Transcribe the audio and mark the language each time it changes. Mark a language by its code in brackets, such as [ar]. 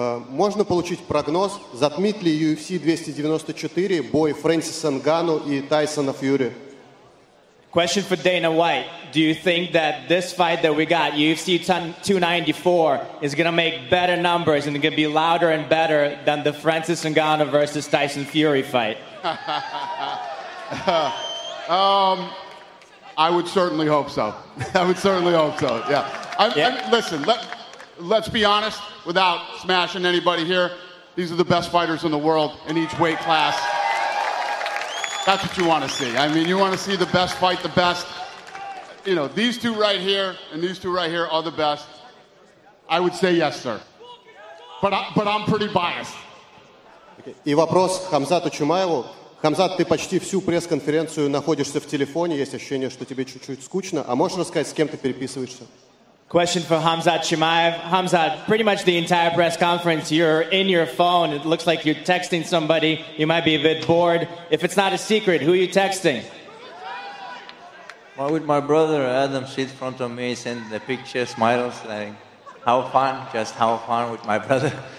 [ru] Можно получить прогноз, затмит ли UFC 294 бой Фрэнсиса Нгану и Тайсона Фьюри? [en] Question for Dana White. Do you think that this fight that we got, UFC 294, is going to make better numbers and going to be louder and better than the Francis Ngannou versus Tyson Fury fight? I would certainly hope so. I would certainly hope so, yeah. Listen, let's be honest, without smashing anybody here, these are the best fighters in the world in each weight class. That's what you want to see. I mean, you want to see the best fight the best. You know, these two right here and these two right here are the best. I would say yes, sir. But I'm pretty biased. Okay. [ru] И вопрос Хамзату Чумаеву. Хамзат, ты почти всю пресс-конференцию находишься в телефоне. Есть ощущение, что тебе чуть-чуть скучно. А можешь рассказать, с кем ты переписываешься? [en] Question for Hamzat Chimaev. Hamzat, pretty much the entire press conference, you're in your phone. It looks like you're texting somebody. You might be a bit bored. If it's not a secret, who are you texting? Well, with my brother Adam sits in front of me, sends the picture, smiles, saying, how fun, just how fun with my brother.